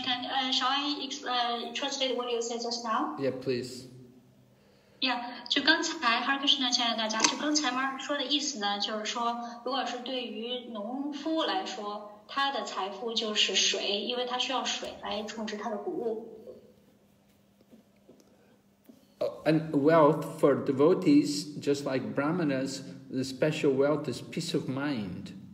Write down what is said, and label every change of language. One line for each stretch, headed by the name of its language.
English: Maharaj, shall I translate what you said just now? Yeah, please.
Chinese: 就刚才哈克什呢，亲爱的大家，就刚才妈说的意思呢，就是说，如果是对于农夫来说，他的财富就是水，因为他需要水来种植他的谷物。
English: And wealth for devotees, just like brahmanas, the special wealth is peace of mind.